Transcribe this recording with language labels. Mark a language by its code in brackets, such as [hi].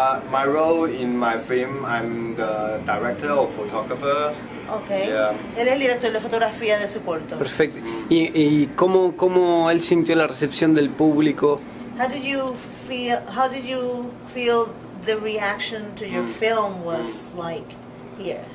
[en] My role in my film, I'm the director or photographer. Okay. Yeah. [es] Eres el director de fotografía de su corto. Perfecto. ¿Y cómo él sintió la recepción del público? [en] How did you feel the reaction to your film was like here?